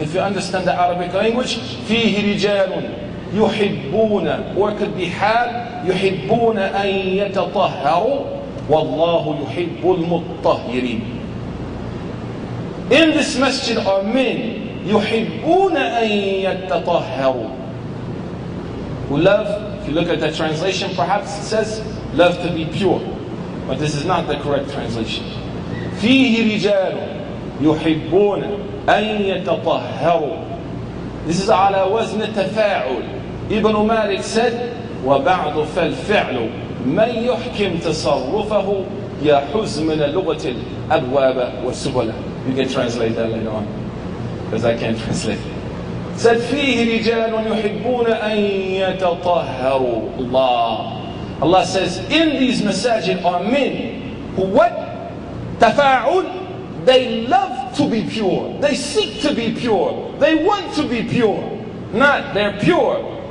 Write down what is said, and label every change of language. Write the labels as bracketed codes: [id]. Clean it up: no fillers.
[en] If you understand the Arabic language, [ar] فِيهِ رِجَالٌ يُحِبُّونَ [en] Or it could be حَال, [ar] يُحِبُّونَ أَن يَتَطَهَّرُوا وَاللَّهُ يُحِبُّ الْمُطَّهِّرِينَ [en] In this masjid are men [ar] يُحِبُّونَ أَن يَتَطَهَّرُوا [en] Who love, if you look at the translation perhaps it says love to be pure. But this is not the correct translation. [ar] فِيهِ رِجَالٌ يُحِبُّونَ أَن يَتَطَهَّرُوا [en] This is [ar] عَلَى وَزْنِ تَفَاعُلِ [en] Ibn Malik said [ar] وَبَعْضُ فَالْفِعْلُ مَنْ يُحْكِمْ تَصَرُّفَهُ يَحُزْ مِنَ لُغَةِ الْأَبْوَابَ وَسُبَلَ [en] You can translate that later on. Because I can't translate it. Said, [ar] فِيهِ رِجَالٌ يُحِبُّونَ أَن يَتَطَهَّرُوا [en] Allah says, in these masajid are men who what? تَفَاعُلْ They love to be pure. They seek to be pure. They want to be pure. Not, they're pure.